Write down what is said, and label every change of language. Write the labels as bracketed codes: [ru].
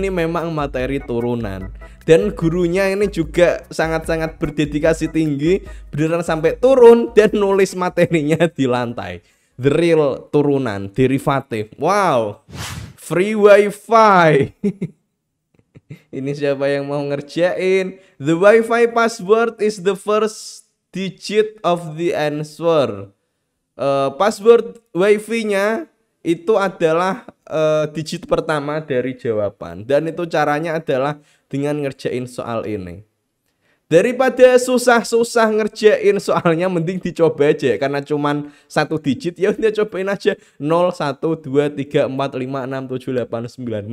[id] Ini memang materi turunan. Dan gurunya ini juga sangat-sangat berdedikasi tinggi. Beneran sampai turun dan nulis materinya di lantai. [en] The real turunan, derivatif. Wow, free wifi. [id] Ini siapa yang mau ngerjain? [en] The wifi password is the first digit of the answer. [id] Password wifi-nya itu adalah digit pertama dari jawaban. Dan itu caranya adalah dengan ngerjain soal ini. Daripada susah-susah ngerjain soalnya, mending dicoba aja. Karena cuman satu digit, ya udah cobain aja. 0, 1, 2, 3, 4, 5, 6, 7, 8, 9.